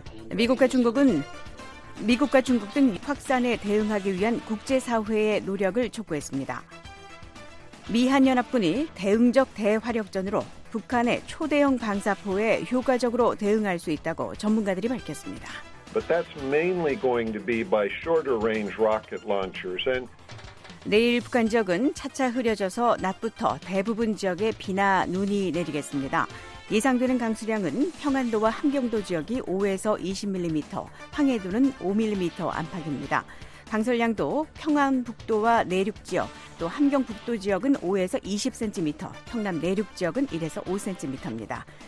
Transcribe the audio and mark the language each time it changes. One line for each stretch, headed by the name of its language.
Korean: 미국과 중국은 미국과 중국 등 확산에 대응하기 위한 국제사회의 노력을 촉구했습니다. 미한연합군이 대응적 대화력전으로 북한의 초대형 방사포에 효과적으로 대응할 수 있다고 전문가들이 밝혔습니다.
English: But that's mainly going to be by shorter range rocket launchers. And
Korean: 내일 북한 지역은 차차 흐려져서 낮부터 대부분 지역에 비나 눈이 내리겠습니다. 예상되는 강수량은 평안도와 함경도 지역이 5에서 20mm, 황해도는 5mm 안팎입니다. 강설량도 평안북도와 내륙 지역, 또 함경북도 지역은 5에서 20cm, 평남 내륙 지역은 1에서 5cm입니다.